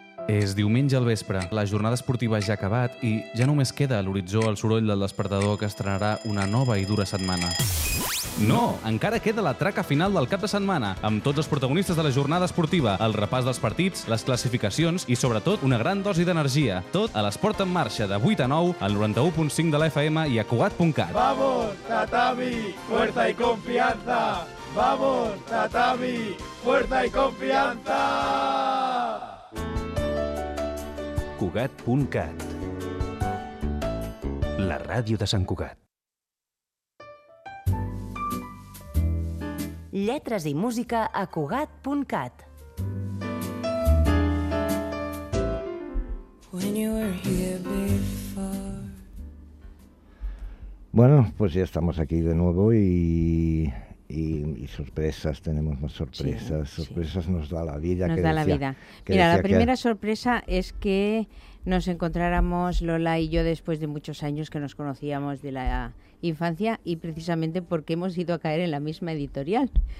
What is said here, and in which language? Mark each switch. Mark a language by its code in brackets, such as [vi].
[ca] És diumenge al vespre, la jornada esportiva ja ha acabat i ja només queda a l'horitzó el soroll del despertador que estrenarà una nova i dura setmana. No, encara queda la traca final del cap de setmana, amb tots els protagonistes de la jornada esportiva, el repàs dels partits, les classificacions i, sobretot, una gran dosi d'energia. Tot a l'Esport en Marxa, de 8 a 9, al 91.5 de l'FM i a Cugat.cat. [es] Vamos, tatami, fuerza y confianza. Vamos, tatami, fuerza y confianza. [ca] Cugat.cat. La ràdio de Sant Cugat. Lletres i música a Cugat.cat. [en] When you were here before. [es] Bueno, pues ya estamos aquí de nuevo y sorpresas, tenemos más sorpresas. Sí, sorpresas, sí. Nos da la vida. Nos da, decía, la vida. Mira, la primera sorpresa es que nos encontráramos Lola y yo después de muchos años que nos conocíamos de la infancia, y precisamente porque hemos ido a caer en la misma editorial.